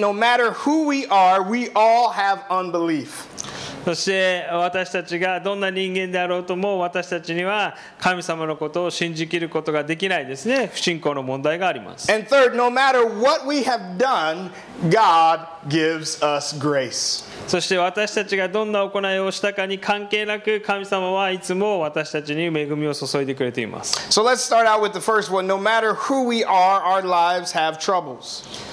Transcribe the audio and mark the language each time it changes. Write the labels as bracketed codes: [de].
[en] no matter who we are, we all have unbelief. [ja] そして私たちがどんな人間であろうとも、私たちには神様のことを信じきることができないですね。不信仰の問題があります。 [en] And third, no matter what we have done, God gives us grace. [ja] そして私たちがどんな行いをしたかに関係なく、神様はいつも私たちに恵みを注いでくれています。 [en] So let's start out with the first one. No matter who we are, our lives have troubles.